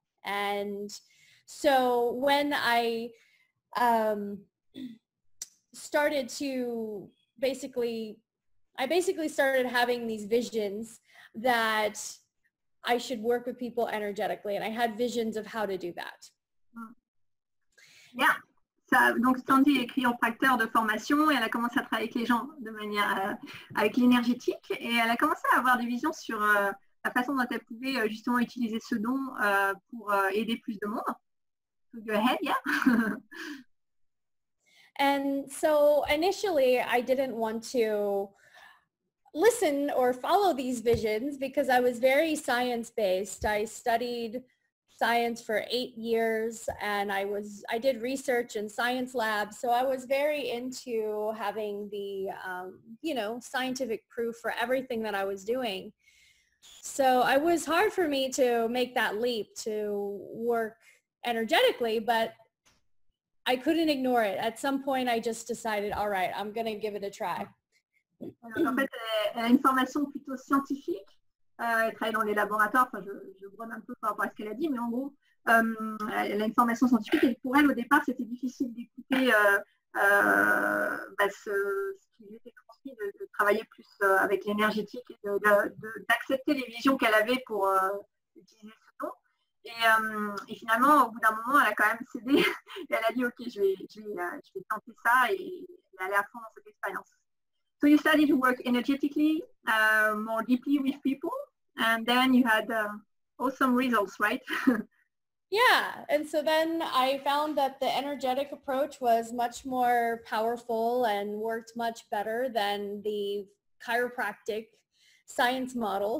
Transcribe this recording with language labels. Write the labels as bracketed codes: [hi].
[en] And so when I started to basically started having these visions that I should work with people energetically, and I had visions of how to do that. [fr] Yeah, ça, donc Stanzie est chiropracteur de formation et elle a commencé à travailler avec les gens de manière avec l'énergétique, et elle a commencé à avoir des visions sur la façon dont elle pouvait justement utiliser ce don pour aider plus de monde. [en] So go ahead, yeah. And so initially I didn't want to listen or follow these visions because I was very science-based. I studied science for 8 years and I did research in science labs, so I was very into having the scientific proof for everything that I was doing. So it was hard for me to make that leap to work energetically, but I couldn't ignore it. At some point I just decided, all right, I'm gonna give it a try. [fr] Alors, en fait, elle a une formation plutôt scientifique, elle travaille dans les laboratoires, enfin, je brome un peu par rapport à ce qu'elle a dit, mais en gros, elle a une formation scientifique, et pour elle, au départ, c'était difficile d'écouter ce qui lui était transmis, de travailler plus avec l'énergétique, d'accepter les visions qu'elle avait pour utiliser ce don. Et finalement, au bout d'un moment, elle a quand même cédé, et elle a dit, ok, je vais tenter ça, et aller à fond dans cette expérience. [en] So you started to work energetically, more deeply with people, and then you had awesome results, right? Yeah, and so then I found that the energetic approach was much more powerful and worked much better than the chiropractic science model.